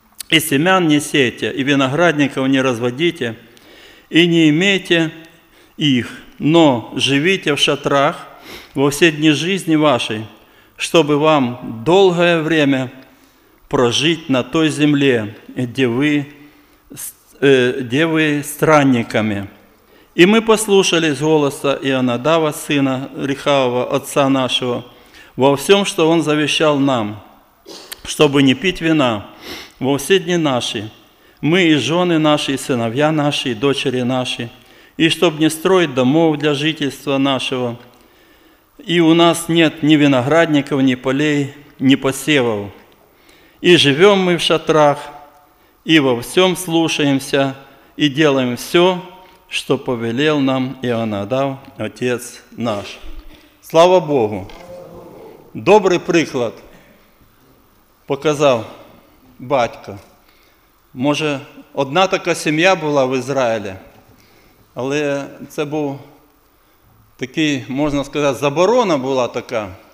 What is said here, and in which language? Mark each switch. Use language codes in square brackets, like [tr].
[uk] і сім'ян не сейте, і виноградників не розводите, і не імейте їх, но живіте в шатрах во всі дні житті вашої, щоб вам довге время прожити на той землі, де ви девы странниками. [ru] И мы послушались голоса Ионадава, сына Рехавова, отца нашего, во всем, что он завещал нам, чтобы не пить вина во все дни наши, мы и жены наши, и сыновья наши, и дочери наши, и чтобы не строить домов для жительства нашего, и у нас нет ни виноградников, ни полей, ни посевов. И живем мы в шатрах, и во всем слушаемся, и делаем все, что повелел нам Іонадав, отец наш». [uk] Слава Богу! Добрий приклад показав батько. Може, одна така сім'я була в Ізраїлі, але це був такий, можна сказати, заборона була така.